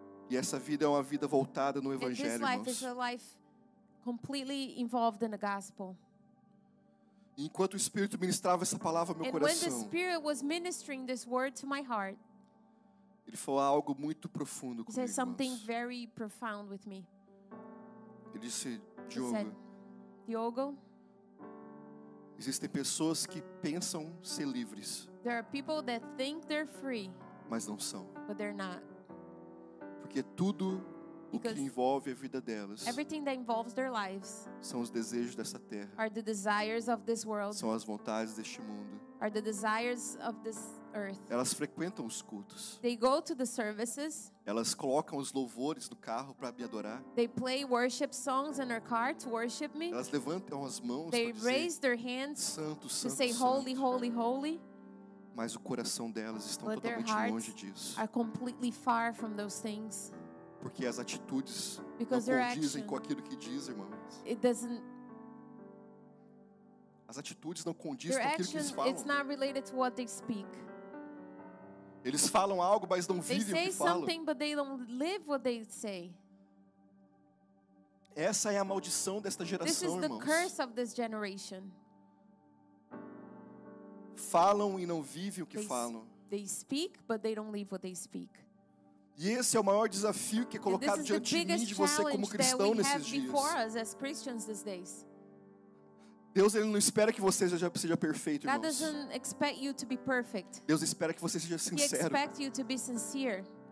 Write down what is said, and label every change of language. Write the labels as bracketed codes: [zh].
[pt] E essa vida é uma vida voltada no evangelho, irmãos. [en] This life is a life completely involved in the gospel. [pt] Enquanto o Espírito ministrava essa palavra ao meu coração. [en] And when the Spirit was ministering this word to my heart. [pt] Ele falou algo muito profundo comigo. [en] He said something very profound with me. [pt] Ele disse, Diogo, [en] Diogo, [pt] existem pessoas que pensam ser livres, [en] there are people that think they're free, [pt] mas não são. [en] But they're not. [pt] Porque tudo [en] because [pt] o que envolve a vida delas [en] everything that involves their lives [pt] são os desejos dessa terra, [en] are the desires of this world, [pt] são as vontades deste mundo, [en] are the desires of this, earth. [pt] Elas frequentam os cultos. [en] They go to the services. [pt] Elas colocam os louvores no carro para me adorar. [en] They play worship songs in their car to worship me. [pt] Elas levantam as mãos para dizer, [en] raise their hands [pt] santo, santo, [en] to say holy, [pt] santo. [en] Holy, holy. [pt] Mas o coração delas estão totalmente longe disso. [en] Are completely far from those things. [pt] Porque as atitudes não condizem com aquilo que diz, irmãos. [en] It doesn't. [pt] As atitudes não condizem com aquilo que eles falam. [en] It's not related to what they speak. [pt] Eles falam algo, mas não vivem o que falam. [en] They say something, but they don't live what they say. [pt] Essa é a maldição desta geração, irmãos. [en] This is the curse of this generation. [pt] Falam e não vivem o que falam. [en] They speak, but they don't live what they speak. [pt] E esse é o maior desafio que é colocado diante de mim e de você como cristão nesses dias. [en] As Christians these days. [pt] Deus, ele não espera que você seja perfeito, irmãos. [en] God doesn't expect you to be perfect. [pt] Deus espera que você seja sincero. [en] He expects you to be sincere.